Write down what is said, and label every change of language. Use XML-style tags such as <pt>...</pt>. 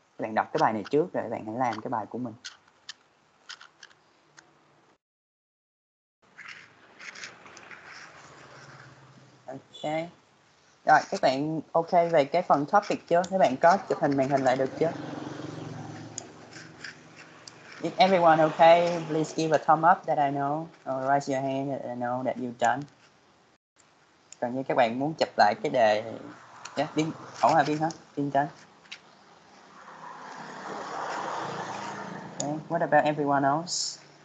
<vi>Các bạn đọc cái bài này trước rồi các bạn hãy làm cái bài của mình. Okay. Rồi, các bạn ok về cái phần topic chưa? Các bạn có chụp hình màn hình lại được chưa?</vi> <en>If everyone okay, please give a thumb up that I know, or raise your hand that I know that you've done.</en> <vi>Còn như các bạn muốn chụp lại cái đề, yeah, đi, ổn hả Vinh hả? Vinh chân.</vi> <en>Okay, what about everyone else?</en>